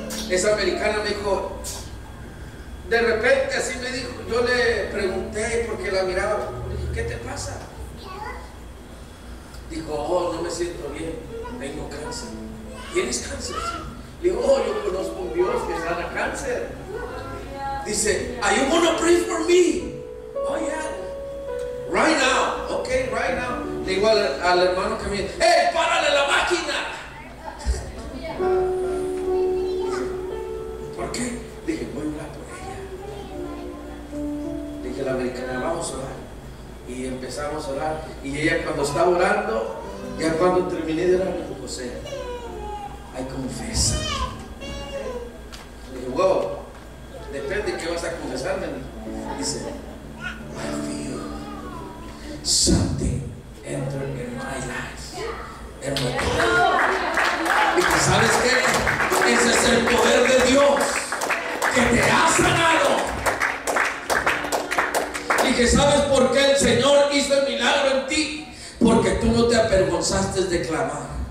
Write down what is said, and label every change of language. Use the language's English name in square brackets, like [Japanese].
[Spanish] Esa americana me dijo, de repente así me dijo, yo le pregunté porque la miraba, le dije, ¿qué te pasa? Dijo, oh, no me siento bien, tengo cáncer. ¿Tienes cáncer? Le digo, oh, yo conozco un Dios que sana cáncer. [English] Dice, are you gonna pray for me? Oh yeah. Right now. Okay, right now. [Spanish] Le digo al hermano que viene, ¡eh, hey, párale la máquina! ¿Por qué? Dije, voy a orar por ella. Dije, la americana, vamos a orar. Y empezamos a orar. Y ella cuando estaba orando, ya cuando terminé de orar, me dijo, José, ay, confesa. Le digo, wow. Depende de qué vas a confesarme. [English] Dice, I feel something entered in my life. [Spanish] En mi vida. Y ¿sabes qué? Ese es el poder de Dios que te ha sanado. Y que ¿sabes por qué el Señor hizo el milagro en ti? Porque tú no te avergonzaste de clamar.